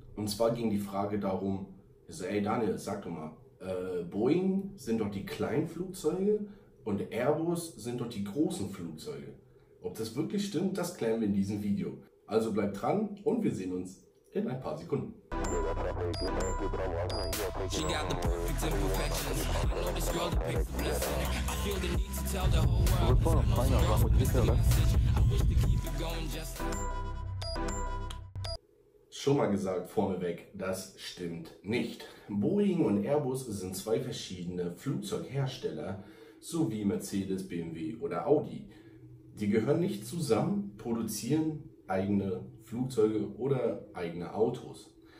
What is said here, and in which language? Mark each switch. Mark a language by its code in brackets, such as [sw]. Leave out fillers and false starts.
[de] Und zwar ging die Frage darum, so, ey Daniel, sag doch mal, Boeing sind doch die kleinen Flugzeuge und Airbus sind doch die großen Flugzeuge. Ob das wirklich stimmt, das klären wir in diesem Video. Also bleibt dran und wir sehen uns in ein paar Sekunden. [en] She got the perfect imperfections. I know this girl that picks the blessing. I feel the need to tell the whole world. I wish to keep it going just [de] schon mal gesagt, vorneweg, das stimmt nicht. Boeing und Airbus sind zwei verschiedene Flugzeughersteller, so wie Mercedes, BMW oder Audi. Die gehören nicht zusammen, produzieren eigene Flugzeuge oder eigene Autos.